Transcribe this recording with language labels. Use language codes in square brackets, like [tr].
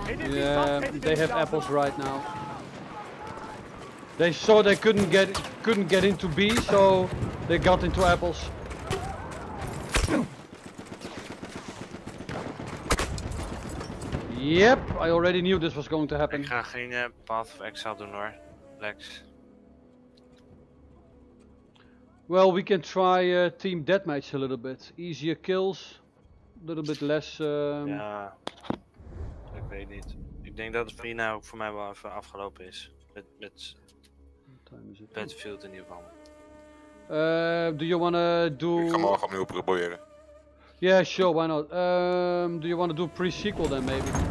[en] Yeah, they have apples right now. They saw they couldn't get into B, so they got into apples. Yep, I already knew this was going to happen. [nl] Ik ga geen Path of Exile doen hoor, Lex. [en] Well, we can try team deathmatch a little bit. Easier kills, a little bit less... [nl] Ja, ik weet niet. Ik denk dat het hier nou ook voor mij wel even afgelopen is. Met Battlefield in ieder geval. [en] Do you wanna do... [nl] Ik ga morgen opnieuw proberen. [en] Yeah, sure, why not? Do you want to do pre-sequel then, maybe?